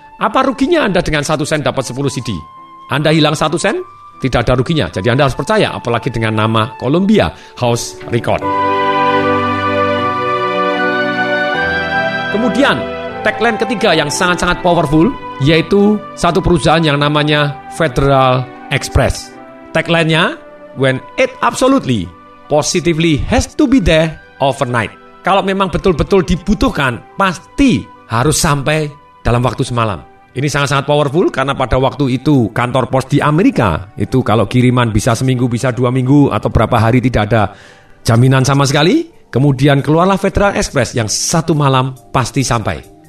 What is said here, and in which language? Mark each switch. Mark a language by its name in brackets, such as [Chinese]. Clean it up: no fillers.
[Indonesian] Apa ruginya Anda dengan 1 sen dapat 10 CD? Anda hilang 1 sen? Tidak ada ruginya. Jadi Anda harus percaya, apalagi dengan nama Columbia House Record. Kemudian, tagline ketiga yang sangat-sangat powerful, yaitu satu perusahaan yang namanya Federal Express. [English] Tagline-nya, when it absolutely, positively has to be there overnight. [Indonesian] Kalau memang betul-betul dibutuhkan, pasti harus sampai dalam waktu semalam. Ini sangat-sangat powerful, karena pada waktu itu kantor pos di Amerika, itu kalau kiriman bisa seminggu, bisa dua minggu, atau berapa hari tidak ada jaminan sama sekali. Kemudian keluarlah Federal Express yang satu malam pasti sampai.